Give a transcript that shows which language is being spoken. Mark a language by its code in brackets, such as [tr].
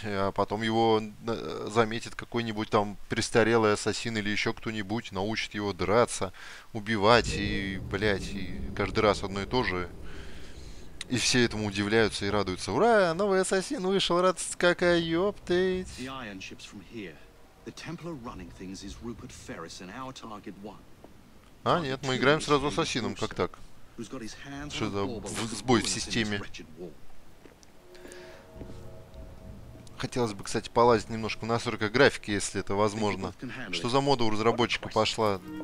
[ru] А потом его заметит какой-нибудь там престарелый ассасин или еще кто-нибудь, научит его драться, убивать и, блять, и каждый раз одно и то же. И все этому удивляются и радуются. Ура, новый ассасин вышел, радость какая, ёптыть. [en] The iron ships from here. The Templar running things is Rupert Ferris and our target one. [ru] А, нет, мы играем сразу ассасином, как так? Что за сбой в системе? Хотелось бы, кстати, полазить немножко на 40 графики, если это возможно. Что за мода у разработчика пошла?